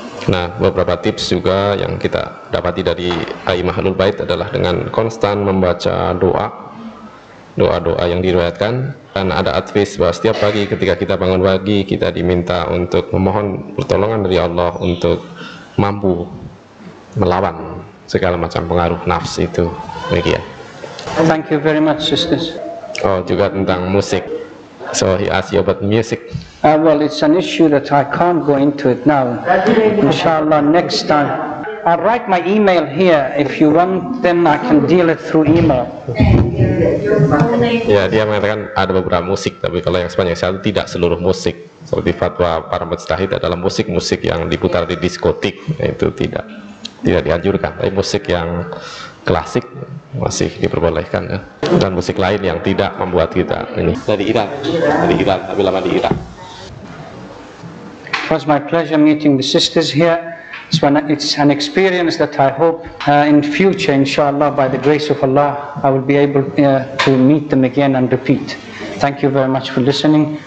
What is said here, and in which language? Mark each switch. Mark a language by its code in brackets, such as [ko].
[id] Nah, beberapa tips juga yang kita dapati dari A'immah Ahlul Bait adalah dengan konstan membaca doa-doa yang diriwayatkan. Dan ada advice bahwa setiap pagi ketika kita bangun pagi, kita diminta untuk memohon pertolongan dari Allah untuk mampu melawan segala macam pengaruh nafsu itu. Demikian. [en] Thank you very much, sisters. [id] Oh, juga tentang musik. [en] So he asked you about music. Well, it's an issue that I can't go into it now. Inshallah, next time. I'll write my email here. If you want, then I can deal it through email. [id] Yeah, dia mengatakan ada beberapa musik, tapi kalau yang sepanjang saya tidak seluruh musik. Seperti fatwa para mujtahid adalah musik-musik yang diputar di diskotik, itu tidak dianjurkan. Tapi musik yang klasik masih diperbolehkan, ya. Dan musik lain yang tidak membuat kita ini dari Iran, tapi lama di Iran. [en] It was my pleasure meeting the sisters here. It's an experience that I hope in future, inshallah, by the grace of Allah, I will be able to meet them again and repeat. Thank you very much for listening.